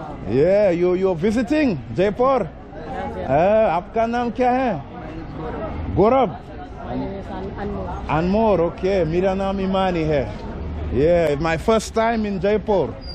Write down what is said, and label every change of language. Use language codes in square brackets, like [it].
[en] Yeah, you're visiting Jaipur? Yes, yes. [hi] आपका नाम क्या है? गौरब. [en] Anmol, okay. [hi] मेरा नाम इमानी है. [en] Yeah, my first time in Jaipur.